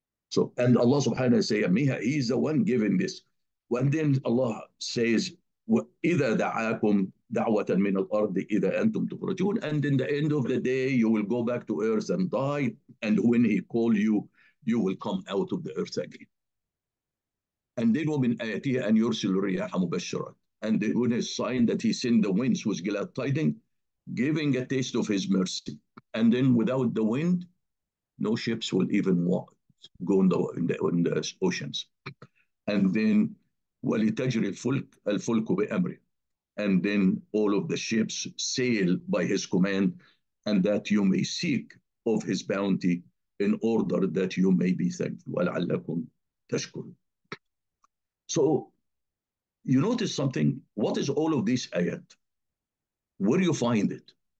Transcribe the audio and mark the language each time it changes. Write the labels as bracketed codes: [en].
[en] So, and Allah subhanahu wa ta'ala say, he's the one giving this. And then Allah says, [ar] إِذَا دَعَاكُمْ دَعْوَةً مِنَ الْأَرْضِ إِذَا أَنْتُمْ تُخْرَجُونَ. [en] And in the end of the day, you will go back to earth and die. And when he call you, you will come out of the earth again. And then [ar] ومن آياته أن يرسل الرياح مبشرات. [en] And when his sign that he sent the winds was glad tidings, giving a taste of his mercy. And then without the wind, no ships will even go in the oceans. And then [ar] ولتجري الفلك بأمره. [en] And then all of the ships sail by his command, and that you may seek of his bounty in order that you may be thankful. [ar] ولعلكم تشكرون. [en] So, you notice something. What is all of these ayat? Where do you find it?